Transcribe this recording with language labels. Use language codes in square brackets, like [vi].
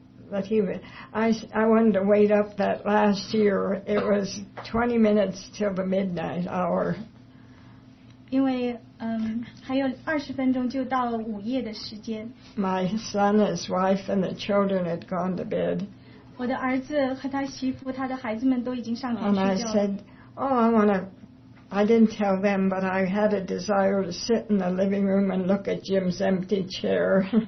[en] that he would, I wanted to wait up that last year. It was 20 minutes till the midnight hour. [zh] 因为 还有20分钟就到午夜的时间。 [en] My son, his wife, and the children had gone to bed. [zh] 我的儿子和他媳妇，他的孩子们都已经上床睡觉。 [en] And I said, "Oh, I want to." I didn't tell them, but I had a desire to sit in the living room and look at Jim's empty chair.